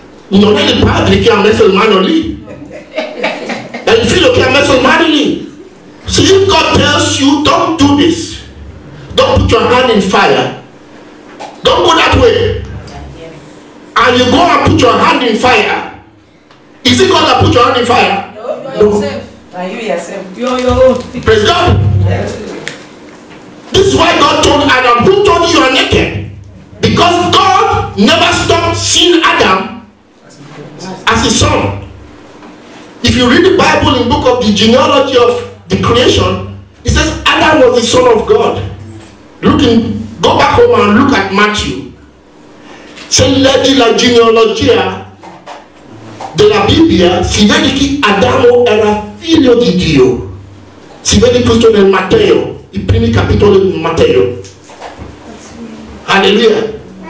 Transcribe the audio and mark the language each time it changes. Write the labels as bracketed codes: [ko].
[it] Non è il padre che ha messo la mano lì. È il figlio che ha messo la mano lì. [en] So if God tells you, don't do this. Don't put your hand in fire. Don't go that way. And you go and put your hand in fire. Is it God that put your hand in fire? No, you are yourself. You are your own. Praise God. This is why God told Adam, who told you are naked? Because God never stopped seeing Adam as his son. If you read the Bible in the book of the genealogy of the creation, it says Adam was the son of God. Go back home and look at Matthew. [it] Say, leggi la genealogia della Bibbia, si vede che Adamo era figlio di Dio. Si vede questo nel Matteo. I primi capitoli di Matteo. Hallelujah.